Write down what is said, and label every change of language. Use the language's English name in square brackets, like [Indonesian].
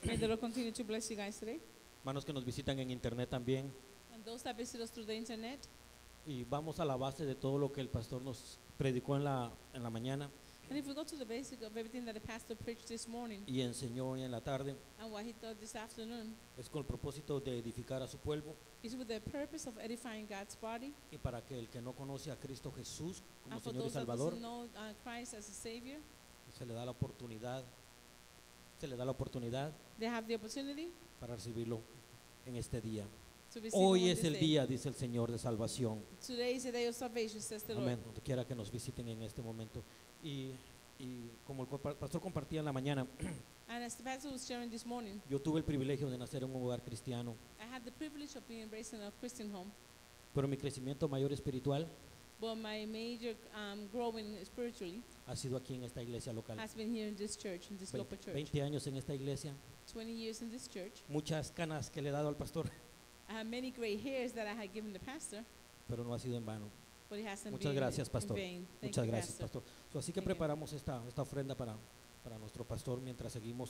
[English] May the Lord continue to bless you guys today. [Spanish] Hermanos que nos visitan en internet también. [English] And those that visit us through the internet. [Spanish] Y vamos a la base de todo lo que el pastor nos predicó en la mañana. [English] And if we go to the basic of everything that the pastor preached this morning. [Spanish] Y enseñó hoy en la tarde. [English] And what he taught this afternoon. [Spanish] Es con el propósito de edificar a su pueblo. [English] It's with the purpose of edifying God's body. [Spanish] Y para que el que no conoce a Cristo Jesús como Señor y Salvador. [English] And for those that doesn't know Christ as a Savior. [Spanish] Se le da la oportunidad. [English] They have the opportunity. [Spanish] Para recibirlo en este día. Hoy es el día, dice el Señor, de salvación. [English] Today is the day of salvation, says the Lord. [Spanish] Amén. Donde quiera que nos visiten en este momento. Y como el pastor compartía en la mañana. [English] And as the pastor was sharing this morning. [Spanish] Yo tuve el privilegio de nacer en un hogar cristiano. [English] I had the privilege of being raised in a Christian home. [Spanish] Pero mi crecimiento mayor espiritual. [English] But my major growing spiritually [Spanish] ha sido aquí en esta iglesia local. [English] Has been here in this church, in this 20, local church. [Spanish] 20 años en esta iglesia. [English] 20 years in this church. [Spanish] Muchas canas que le he dado al pastor. [English] I have many gray hairs that I had given the pastor. [Spanish] Pero no ha sido en vano. [English] But it hasn't [Spanish] Muchas [English] been [Spanish] gracias, pastor. [English] In vain. Thank [Spanish] Muchas [English] you, [Spanish] gracias, pastor. So, así que Thank preparamos esta ofrenda para nuestro pastor mientras seguimos